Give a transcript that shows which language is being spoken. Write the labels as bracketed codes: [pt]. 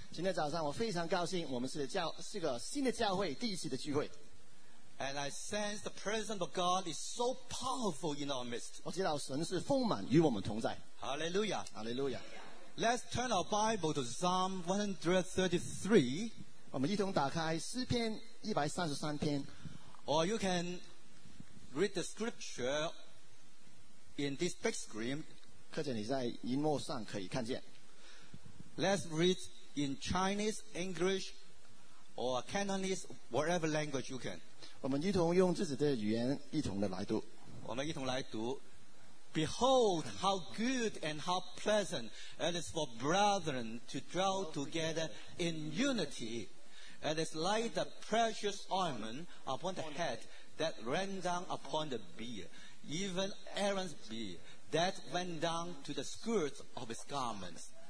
[zh] 今天早上我非常高兴，我们是教是个新的教会第一次的聚会。 [en] And I sense the presence of God is so powerful in our midst. [zh] 我知道神是丰满与我们同在。 [en] Hallelujah. Hallelujah. Let's turn our Bible to Psalm 133. [zh] 我们一同打开诗篇133篇。 [en] Or you can read the scripture in this big screen. [zh] 或者你在荧幕上可以看见。 [en] Let's read in Chinese, English, or Cantonese, whatever language you can. [zh] 我们一同用自己的语言一同的来读。我们一同来读。 [en] Behold how good and how pleasant it is for brethren to dwell together in unity. It is like the precious ointment upon the head that ran down upon the beard, even Aaron's beard that went down to the skirts of his garments.